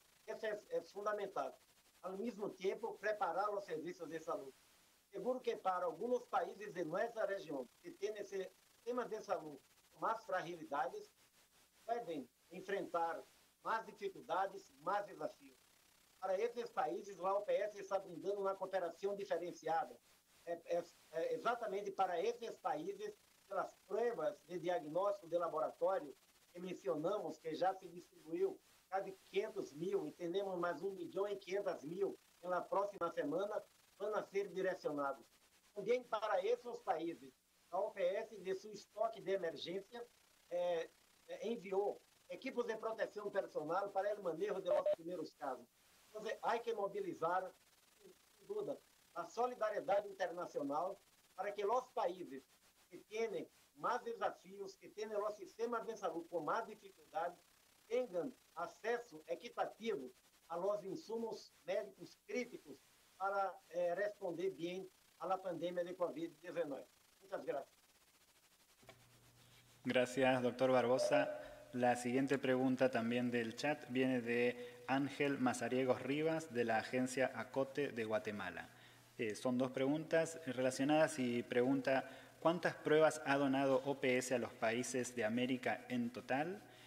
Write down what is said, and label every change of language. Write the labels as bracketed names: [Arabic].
[Spanish] Eso es fundamental. Al mismo tiempo, preparar los servicios de salud. Seguro que para algunos países de nuestra región que tienen sistemas de salud con más fragilidades, pueden enfrentar más dificultades, más desafíos. [Portuguese] Para esses países, a OPS está brindando uma cooperação diferenciada. É exatamente para esses países, pelas provas de diagnóstico de laboratório que mencionamos, que já se distribuiu quase 500 mil e temos mais 1 milhão e 500 mil na próxima semana, vão ser direcionados. Também para esses países, a OPS, de seu estoque de emergência, enviou equipes de proteção personal para o manejo dos primeiros casos. Há que mobilizar, sem dúvida, a solidariedade internacional para que os países que têm mais desafios, que têm os sistemas de saúde com mais dificuldades, tenham acesso equitativo aos insumos médicos críticos para responder bem à pandemia de COVID-19. Muito obrigado. Obrigado, Dr. Barbosa. [Spanish] La siguiente pregunta también del chat viene de Ángel Mazariegos Rivas, de la agencia ACOTE de Guatemala. Son dos preguntas relacionadas y pregunta, ¿cuántas pruebas ha donado OPS a los países de América en total?